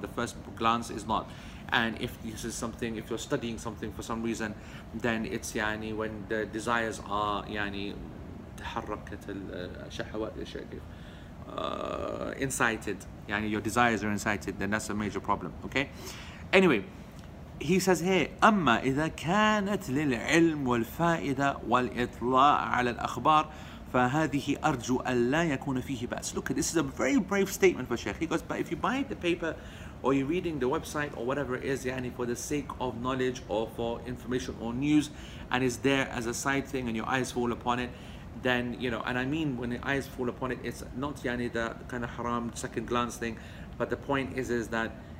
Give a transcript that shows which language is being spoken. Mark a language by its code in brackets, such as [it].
[en] The first glance is not. And if this is something, if you're studying something for some reason, then it's yani when the desires are yani [ar] تحركت الشهوات [en] incited, yani your desires are incited, then that's a major problem. Okay. Anyway, he says here, [ar] أما إذا كانت للعلم والفائدة والإطلاع على الأخبار فهذه أرجو ألا يكون فيه بأس. [en] Look, this is a very brave statement for Sheikh. He goes, but if you buy the paper, or you're reading the website or whatever it is, yani, for the sake of knowledge or for information or news, and is there as a side thing and your eyes fall upon it, then, you know, and I mean when the eyes fall upon it, it's not yani the kind of haram second glance thing, but the point is that